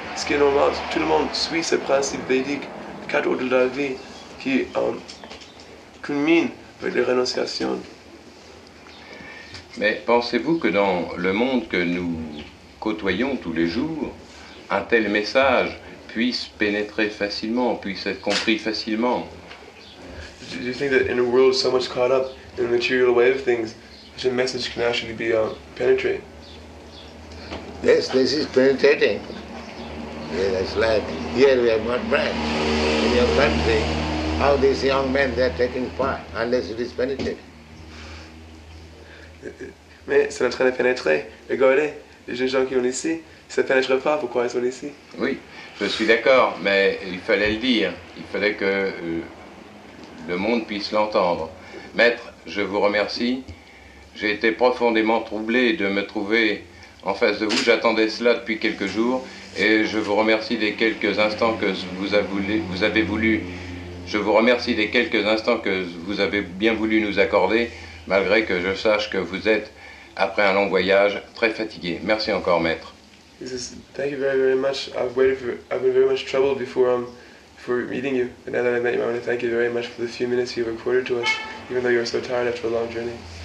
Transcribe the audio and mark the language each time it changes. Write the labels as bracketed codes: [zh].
[fr] Ce qui est normal, c'est que tout le monde suit ces principes védiques, les quatre ordres de la vie, qui culminent avec les renonciations. Mais pensez-vous que dans le monde que nous côtoyons tous les jours, un tel message puisse pénétrer facilement, puisse être compris facilement? [en] Do you think that in a world so much caught up in the material way of things, such a message can actually be penetrated? Yes, this is penetrating. Yes, it's like here we have not bread. In your country, how these young men they are taking part unless it is penetrating. [fr] Mais c'est en train de pénétrer. Regardez, les jeunes gens qui sont ici, ça ne pénétrerait pas, pourquoi ils sont ici? Oui, je suis d'accord, mais il fallait le dire. Il fallait que le monde puisse l'entendre. Maître, je vous remercie. J'ai été profondément troublé de me trouver en face de vous, j'attendais cela depuis quelques jours et je vous remercie des quelques instants que vous avez voulu. Je vous remercie des quelques instants que vous avez bien voulu nous accorder, malgré que je sache que vous êtes, après un long voyage, très fatigué. Merci encore, maître. [en] Thank you very, very much. I've been very much troubled before for meeting you. And now that I met you, I want to thank you very much for the few minutes you've accorded to us, even though you're so tired after a long journey.